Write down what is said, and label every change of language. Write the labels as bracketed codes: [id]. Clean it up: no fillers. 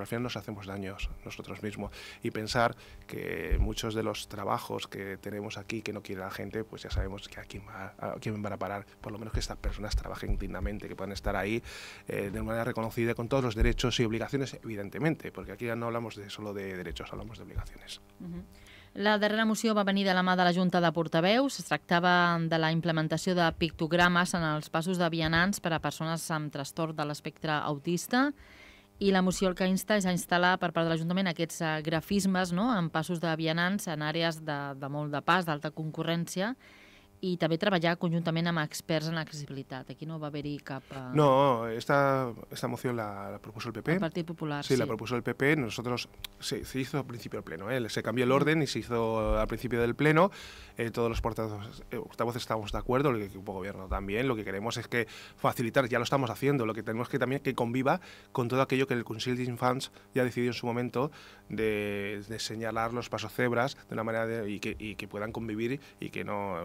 [es] Al final nos hacemos daños nosotros mismos. Y pensar que muchos de los trabajos que tenemos aquí que no quiere la gente, pues ya sabemos que a quién van a parar. Por lo menos que estas personas trabajen dignamente, que puedan estar ahí de manera reconocida con todos los derechos y obligaciones, evidentemente. Porque aquí ya no hablamos solo de derechos, hablamos de obligaciones. [ca] La darrera moció va venir de la mà de la Junta de Portaveus. Es tractava de la implementació de pictogrames en els passos de vianants per a persones amb trastorn de l'espectre autista. I la moció el que insta és a instal·lar per part de l'Ajuntament aquests grafismes, no?, en passos de vianants en àrees de molt de pas, d'alta concurrència, i també treballar conjuntament amb experts en accessibilitat. Aquí no va haver-hi cap... [es] No, esta moció la propuso el PP. [ca] El Partit Popular, [es] sí. Sí, la propuso el PP. Nosotros, se hizo al principio del pleno, ¿eh? Se cambió el orden y se hizo al principio del pleno. Todos los portavoces estamos de acuerdo, el equipo gobierno también. Lo que queremos es que facilitar, ya lo estamos haciendo, lo que tenemos que también que conviva con todo aquello que el Consell d'Infants ya decidió en su momento de señalar los pasos cebras de una manera y que puedan convivir y que no...